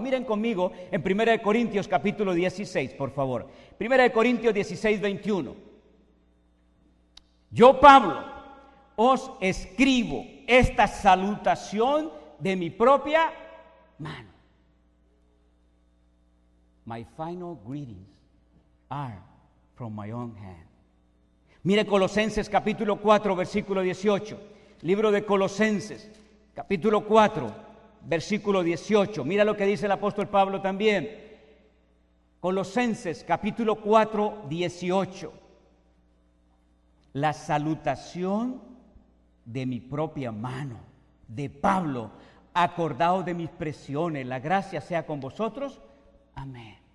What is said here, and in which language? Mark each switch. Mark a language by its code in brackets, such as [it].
[es] Miren conmigo en 1 Corintios capítulo 16, por favor. 1 Corintios 16, 21. Yo, Pablo, os escribo esta salutación de mi propia mano. [en] My final greetings are from my own hand. [es] Mire Colosenses capítulo 4, versículo 18. Libro de Colosenses capítulo 4, versículo 18. Mira lo que dice el apóstol Pablo también. Colosenses capítulo 4, 18. La salutación de mi propia mano, de Pablo, acordado de mis prisiones, la gracia sea con vosotros, amén.